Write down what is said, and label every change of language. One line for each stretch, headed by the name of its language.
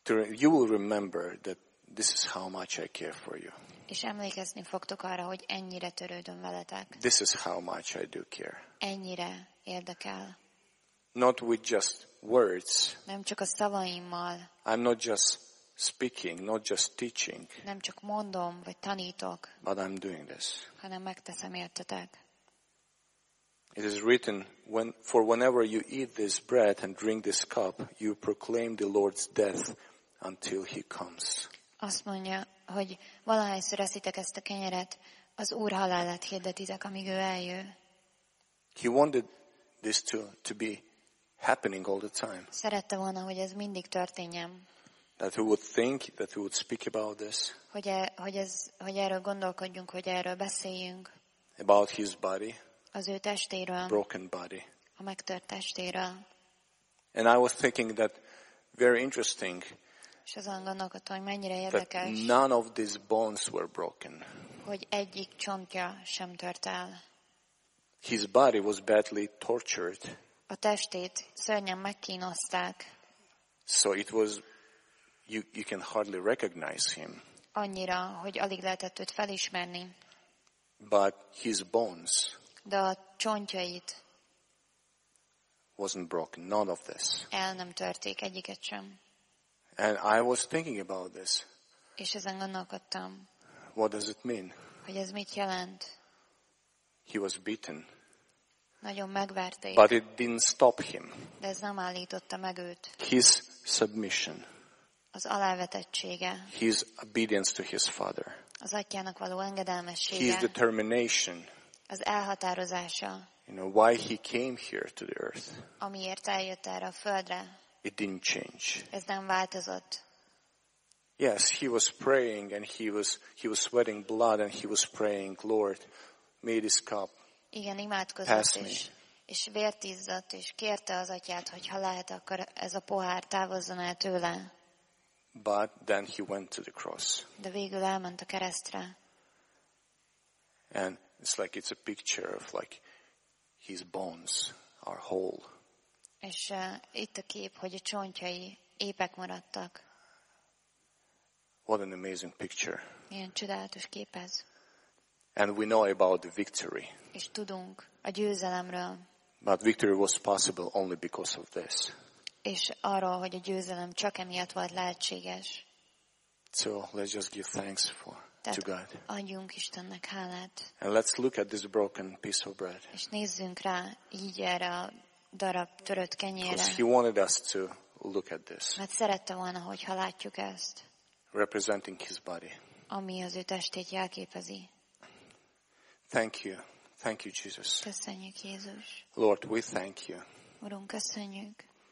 English: You will remember that this is how much I care for you.
Hungarian: És emlékezni fogtok arra, hogy ennyire törődöm veletek.
English: This is how much I do care.
Hungarian: Ennyire érdekel.
English: Not with just words.
Hungarian: Nem csak a szavaimmal.
English: I'm not just speaking, not just teaching.
Hungarian: Nem csak mondom, vagy tanítok.
English: But I'm doing this.
Hungarian: Hanem megteszem értetek.
English: It is written, for whenever you eat this bread and drink this cup, you proclaim the Lord's death until he comes.
Hungarian: Azt mondja, hogy valahányszor eszitek ezt a kenyeret, az Úr halálát hirdetitek, amíg ő eljő.
English: He wanted this to be happening all the time.
Hungarian: Szerette volna, hogy ez mindig történjen.
English: That we would think, that we would speak about this.
Hungarian: Hogy erről gondolkodjunk, hogy erről beszéljünk.
English: About his body.
Hungarian: Az ő testéről.
English: Broken body.
Hungarian: A megtört testéről.
English: And I was thinking that very interesting.
Hungarian: És azon gondolkodtam, hogy mennyire érdekes.
English: None of these bones were broken.
Hungarian: Hogy egyik csontja sem tört el.
English: His body was badly tortured.
Hungarian: A testét szörnyen megkínozták.
English: So it was you can hardly recognize him.
Hungarian: Annyira, hogy alig lehetett őt felismerni.
English: But his bones.
Hungarian: De a csontjait.
English: Wasn't broken, none of this.
Hungarian: El nem törték egyiket sem.
English: And I was thinking about this.
Hungarian: És ezen gondolkodtam.
English: What does it mean?
Hungarian: Hogy ez mit jelent?
English: He was beaten.
Hungarian: Nagyon megverték.
English: But it didn't stop him.
Hungarian: De ez nem állította meg őt.
English: His submission.
Hungarian: Az alávetettsége.
English: His obedience to his father.
Hungarian: Az atyának való engedelmessége.
English: His determination.
Hungarian: Az elhatározása.
English: You know why he came here to the earth.
Hungarian: Amiért eljött erre a földre.
English: It didn't change.
Hungarian: Ez nem változott.
English: Yes, he was praying and he was sweating blood and he was praying, Lord, may this cup.
Hungarian: Igen, imádkozott
English: pass me.
Hungarian: És vért izzadt, és kérte az atyát, hogy ha lehet, akkor ez a pohár távozzon el tőle.
English: But then he went to the cross.
Hungarian: De végül elment a keresztre.
English: And it's like it's a picture of like his bones are whole.
Hungarian: És itt a kép, hogy a csontjai épek maradtak.
English: What an amazing picture.
Hungarian: Ilyen csodálatos kép ez.
English: And we know about the victory.
Hungarian: És tudunk a győzelemről.
English: But victory was possible only because of this.
Hungarian: És arról, hogy a győzelem csak emiatt volt lehetséges.
English: So let's just give thanks to God.
Hungarian: Adjunk Istennek hálát.
English: And let's look at this broken piece of bread.
Hungarian: És nézzünk rá így erre a darab törött kenyérre.
English: Because he wanted us to look at this.
Hungarian: Mert szerette volna, hogyha látjuk ezt.
English: Representing his body.
Hungarian: Ami az ő testét jelképezi.
English: Thank you. Thank you, Jesus.
Hungarian: Köszönjük, Jézus.
English: Lord, we thank you.
Hungarian: Urunk, köszönjük.